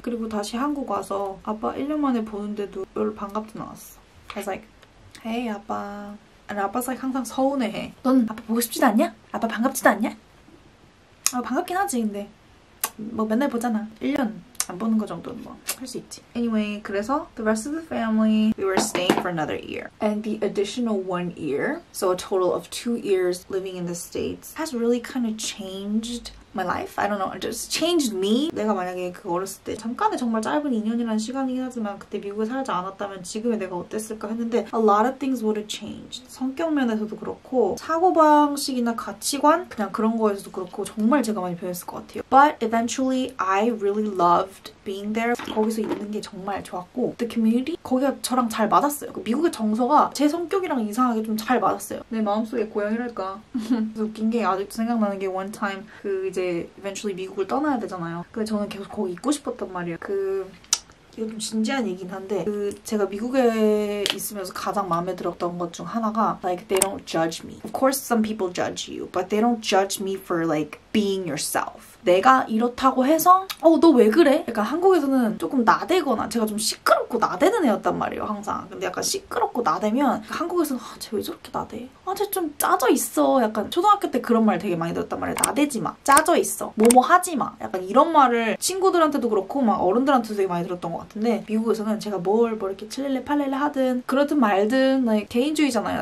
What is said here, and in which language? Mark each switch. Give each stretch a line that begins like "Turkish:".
Korean: 그리고 다시 한국 와서 아빠 1년 만에 보는데도 별로 반갑진 않았어.
English: I was like, hey 아빠.
Korean: 아니 아빠 사이 항상 서운해해. 넌 아빠 보고 싶지도 않냐? 아빠 반갑지도 않냐? 아 반갑긴 하지 근데 뭐 맨날 보잖아. 1년 안 보는 거 정도는 뭐 할 수 있지.
English: Anyway 그래서 the rest of the family we were staying for another year and the additional one year so a total of 2 years living in the States has really kind of changed my life. I don't know, it just changed me.
Korean: 내가 만약에 그 어렸을 때 잠깐의 정말 짧은 2년이라는 시간이긴 하지만 그때 미국에 살지 않았다면 지금의 내가 어땠을까 했는데
English: a lot of things would have changed.
Korean: 성격 면에서도 그렇고 사고방식이나 가치관 그냥 그런 거에서도 그렇고 정말 제가 많이 변했을 것 같아요.
English: But eventually I really loved being there.
Korean: 거기서 있는 게 정말 좋았고
English: the community
Korean: 거기가 저랑 잘 맞았어요. 그 미국의 정서가 제 성격이랑 이상하게 좀 잘 맞았어요. 내 마음속에 고향이랄까. 그래서 웃긴 게 아직도 생각나는 게
English: one time
Korean: 그 이제 eventually 미국을 떠나야 되잖아요. 근데 저는 계속 거기 있고 싶었단 말이에요. 그 이거 좀 진지한 얘기긴 한데 그 제가 미국에 있으면서 가장 마음에 들었던 것 중 하나가
English: like they don't judge me. Of course some people judge you, but they don't judge me for like being yourself.
Korean: 내가 이렇다고 해서 너 왜 그래? 그러니까 한국에서는 조금 나대거나 제가 좀 시끄럽고 나대는 애였단 말이에요 항상. 근데 약간 시끄럽고 나대면 한국에서는 쟤 왜 저렇게 나대? 쟤 좀 짜져 있어. 약간 초등학교 때 그런 말 되게 많이 들었단 말이에요. 나대지 마, 짜져 있어, 뭐뭐 하지 마. 약간 이런 말을 친구들한테도 그렇고 막 어른들한테도 되게 많이 들었던 것 같은데 미국에서는 제가 뭘 이렇게 칠릴레 팔릴레 하든 그러든 말든 나의 개인주의잖아요.